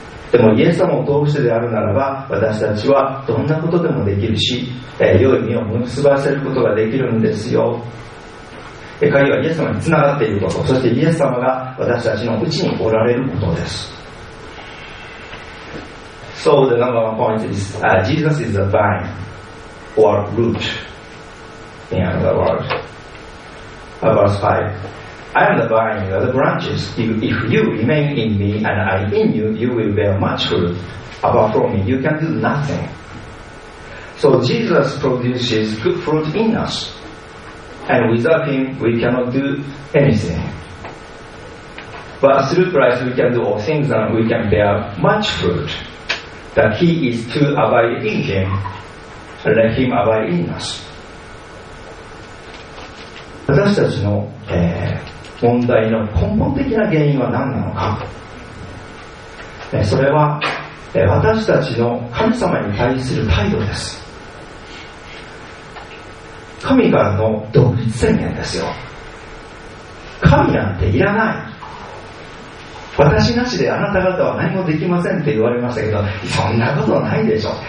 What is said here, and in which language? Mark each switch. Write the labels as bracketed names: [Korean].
[Japanese] でもイエス様を通してであるならば、私たちはどんなことでもできるし、良い身を結ばせることができるんですよ。鍵はイエス様につながっていること、そしてイエス様が私たちのうちにおられることです。 [English] So the number one point is、Jesus is the vine or root in another word. Verse 5, I am the vine, you are the branches. If you remain in me and I in you, you will bear much fruit. Apart from me, you can do nothing. So Jesus produces good fruit in us. And without him, we cannot do anything. But through Christ, we can do all things and we can bear much fruit. The key is to abide in him and let him abide in us. [Japanese] 私たちの、問題の根本的な原因は何なのか。それは、私たちの神様に対する態度です。神からの独立宣言ですよ。神なんていらない、私なしであなた方は何もできませんって言われましたけど、そんなことないでしょ。